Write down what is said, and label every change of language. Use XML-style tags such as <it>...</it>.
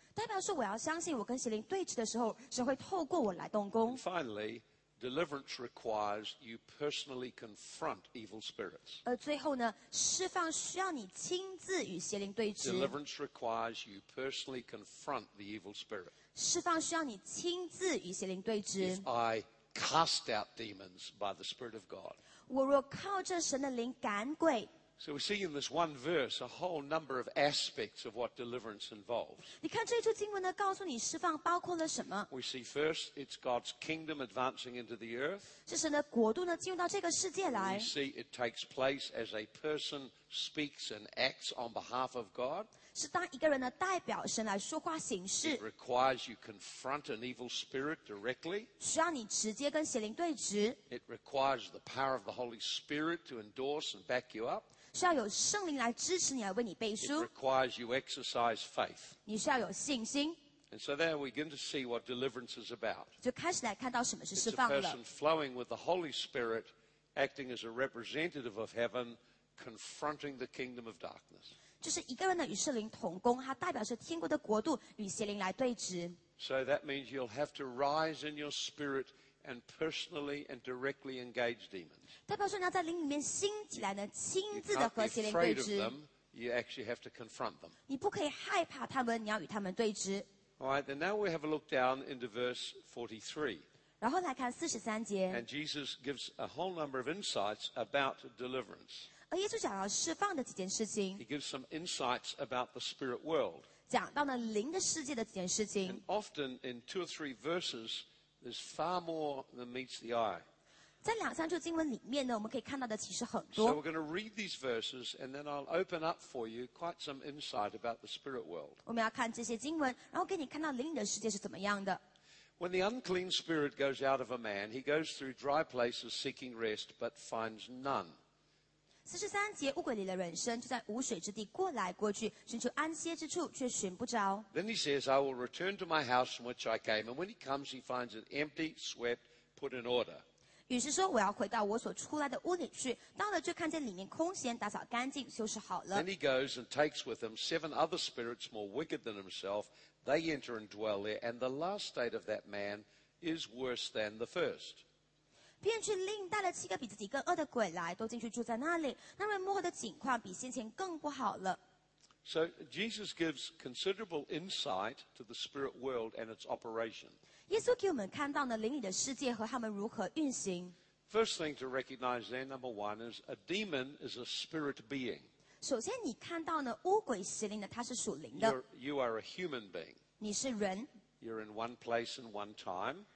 <zh>代表说我要相信我跟邪灵对峙的时候，神会透过我来动工。</zh> <en>And finally, deliverance requires you personally confront evil spirits.</en> <zh>最后呢，释放需要你亲自与邪灵对峙。</zh> <en>Deliverance requires you personally confront the evil spirit.</en> <zh>释放需要你亲自与邪灵对峙。</zh> <en>If I cast out demons by the Spirit of God.</en> <zh>我若靠着神的灵赶鬼。</zh> <en>So we see in this one verse a whole number of aspects of what deliverance involves.</en> <zh>你看这一处经文呢，告诉你释放包括了什么。</zh> <en>We see first, it's God's kingdom advancing into the earth.</en> <zh>是神的国度呢，进入到这个世界来。</zh> <en>We see it takes place as a person speaks and acts on behalf of God.</en> <zh>是当一个人呢，代表神来说话行事。</zh> <en>It requires you confront an evil spirit directly.</en> <zh>需要你直接跟邪灵对峙。</zh> <en>It requires the power of the Holy Spirit to endorse and back you up.</en> <zh>需要有圣灵来支持你，来为你背书。</zh> <en>It requires you exercise faith.</en> <zh>你需要有信心。</zh> <en>And so there we begin to see what deliverance is about.</en> <zh>就开始来看到什么是释放了。</zh> <en>It's a person flowing with the Holy Spirit, acting as a representative of heaven, confronting the kingdom of darkness.</en> <zh>就是一个人呢与圣灵同工，他代表是天国的国度与邪灵来对峙。</zh> <en>So that means you'll have to rise in your spirit. And personally and directly engage demons.</en> <zh>代表说你要在灵里面兴起来呢，亲自的和邪灵对峙。</zh> <en>You actually have to confront them.</en> <zh>你不可以害怕他们，你要与他们对峙。</zh> <en>All right, then now we have a look down into verse 43.</en> <zh>然后来看四十三节。</zh> <en>And Jesus gives a whole number of insights about deliverance.</en> <zh>而耶稣讲到释放的几件事情。</zh> <en>He gives some insights about the spirit world.</en> <zh>讲到了灵的世界的几件事情。</zh> <en>And often in two or three verses. There's far more than meets the eye.</en> <zh>在两三处经文里面呢，我们可以看到的其实很多。</zh> <en>So we're going to read these verses, and then I'll open up for you quite some insight about the spirit world.</en> <zh>我们要看这些经文，然后给你看到灵的世界是怎么样的。</zh> <en>When the unclean spirit goes out of a man, he goes through dry places seeking rest, but finds none.</en> <zh>四十三节，污鬼离了人身，就在无水之地过来过去，寻求安歇之处，却寻不着。</zh> <en>Then he says, "I will return to my house from which I came." And when he comes, he finds it empty, swept, put in order.</en> <zh>于是说，我要回到我所出来的屋里去。到了，就看见里面空闲，打扫干净，修饰好了。</zh> <en>Then he goes and takes with him seven other spirits more wicked than himself. They enter and dwell there, and the last state of that man is worse than the first.</en> <zh>便去另带了七个比自己更恶的鬼来，都进去住在那里。那人末后的境况比先前更不好了。</zh> <en>So Jesus gives considerable insight to the spirit world and its operation.</en> <zh>耶稣给我们看到呢，灵里的世界和他们如何运行。</zh> <en>First thing to recognize there, number one, is a demon is a spirit being.</en> <zh>首先你看到呢，巫鬼邪灵呢，它是属灵的。</zh> <en>You are a human being.</en> <zh>你是人。</zh> <en>You're in one place and one time.</en>